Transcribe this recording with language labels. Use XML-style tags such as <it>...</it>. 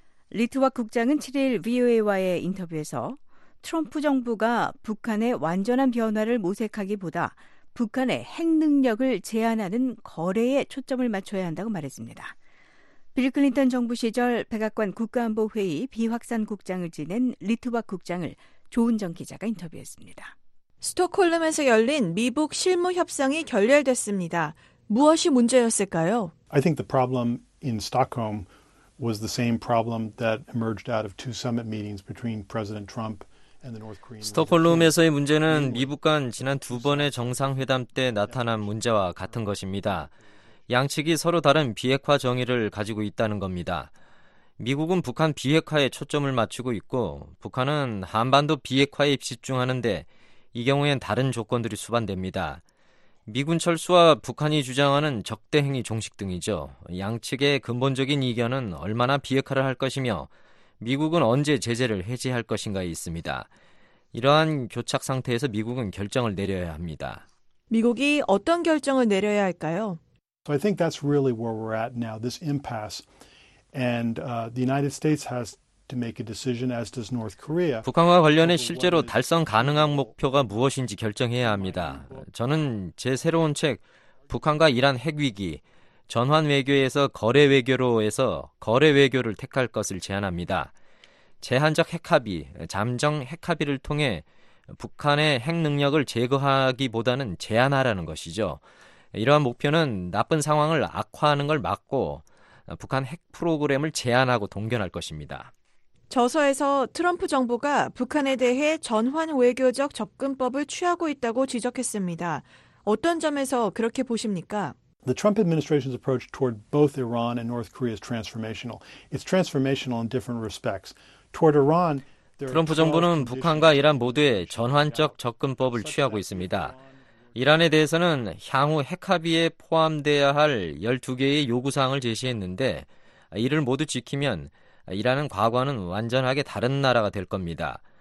<ko>리트왁 국장은 7일 VOA와의 인터뷰에서 트럼프 정부가 북한의 완전한 변화를 모색하기보다 북한의 핵 능력을 제한하는 거래에 초점을 맞춰야 한다고 말했습니다. 빌 클린턴 정부 시절 백악관 국가안보회의 비확산 국장을 지낸 리트왁 국장을 조은정 기자가 인터뷰했습니다. 스톡홀름에서 열린 미북 실무협상이 결렬됐습니다. 무엇이 문제였을까요?</ko> <en>I think the problem in Stockholm was the same problem that emerged out of two summit meetings between President Trump</en> <ko>스톡홀름에서의 문제는 미북 간 지난 두 번의 정상회담 때 나타난 문제와 같은 것입니다. 양측이 서로 다른 비핵화 정의를 가지고 있다는 겁니다. 미국은 북한 비핵화에 초점을 맞추고 있고 북한은 한반도 비핵화에 집중하는데 이 경우엔 다른 조건들이 수반됩니다. 미군 철수와 북한이 주장하는 적대 행위 종식 등이죠. 양측의 근본적인 이견은 얼마나 비핵화를 할 것이며 미국은 언제 제재를 해제할 것인가에 있습니다. 이러한 교착 상태에서 미국은 결정을 내려야 합니다. 미국이 어떤 결정을 내려야 할까요?</ko> <en>So I think that's really where we're at now, this impasse. And the United States has to make a decision, as does North Korea.</en> <ko>북한과 관련해 실제로 달성 가능한 목표가 무엇인지 결정해야 합니다. 저는 제 새로운 책, 북한과 이란 핵위기, 전환 외교에서 거래 외교로 해서 거래 외교를 택할 것을 제안합니다. 제한적 핵합의, 잠정 핵합의를 통해 북한의 핵 능력을 제거하기보다는 제한하라는 것이죠. 이러한 목표는 나쁜 상황을 악화하는 걸 막고 북한 핵 프로그램을 제한하고 동결할 것입니다. 저서에서 트럼프 정부가 북한에 대해 전환 외교적 접근법을 취하고 있다고 지적했습니다. 어떤 점에서 그렇게 보십니까?</ko> <en>The Trump administration's approach toward both Iran and North Korea is transformational. It's transformational in different respects. Toward Iran,</en> <ko>트럼프 정부는 북한과 이란 모두의 전환적 접근법을 취하고 있습니다. 이란에 대해서는 향후 핵합의에 포함되어야 할 12개의 요구사항을 제시했는데 이를 모두 지키면 이란은 과거와는 완전하게 다른 나라가 될 겁니다.</ko>